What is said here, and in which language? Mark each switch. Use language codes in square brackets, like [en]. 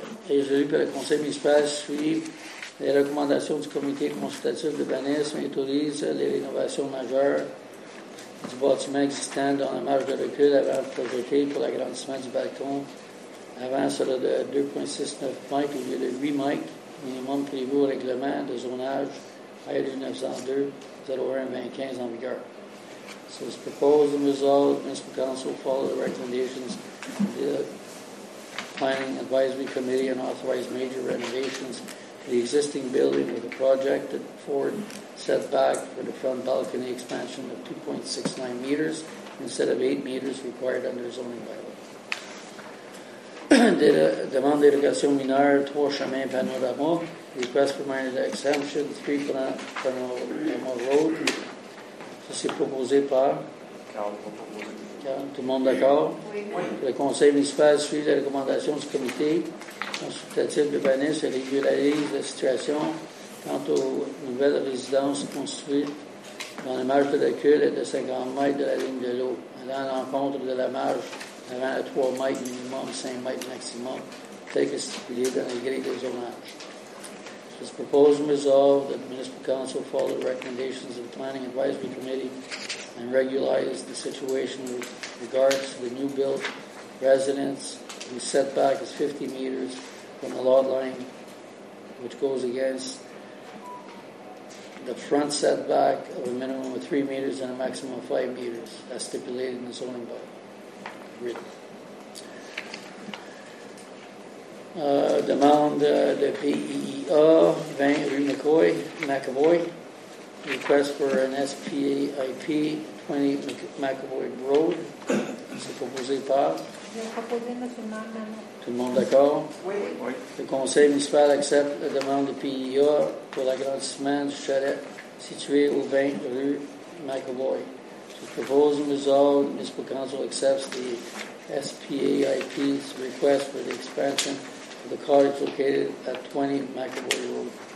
[fr] Et j'ai vu que le conseil municipal suit les recommandations du comité consultatif d'urbanisme et autorise les rénovations majeures du bâtiment existant dans la marge de recul avant de projeter pour l'agrandissement du balcon. Avant, sera de 2,69 mètres au lieu de 8 mètres, minimum prévu au règlement de zonage R1902-01-25 en vigueur. [en] So it's proposed and resolved that the Municipal Council follow the recommendations of the Planning Advisory Committee and authorize major renovations to the existing building with a projected forward setback for the front balcony expansion of 2.69 meters instead of 8 meters required under zoning bylaw. [fr] Demande d'érogation mineure, 3 chemins panorama. [en] Request for minor exemption, 3 panorama road. [fr] Ça, c'est proposé par? Carl. Tout le monde d'accord? Oui. Le conseil municipal suit les recommandations du comité consultatif de Vanesse et régularise la situation quant aux nouvelles résidences construites dans la marge de la queue et de 50 mètres de la ligne de l'eau, allant à l'encontre de la marge avant à 3 mètres minimum, 5 mètres maximum, tel que stipulé dans les grilles de zonage. [en] This proposal resolved that the Municipal Council follow the recommendations of the Planning Advisory Committee and regularize the situation with regards to the new built residence whose setback is 50 meters from the lot line, which goes against the front setback of a minimum of 3 meters and a maximum of 5 meters, as stipulated in the zoning bylaw. [fr] Demande de PIEA 20 rue McAvoy. [en] Request for an SPIP 20 McAvoy Road. [fr] C'est proposé par? Tout le monde d'accord? Oui. Le conseil municipal accepte la demande de PIEA pour l'agrandissement du chalet situé au 20 rue McAvoy. [en] The proposal resolved, the Municipal Council accepts the SPIP's request for the expansion of the cottage located at 20 McAvoy Road.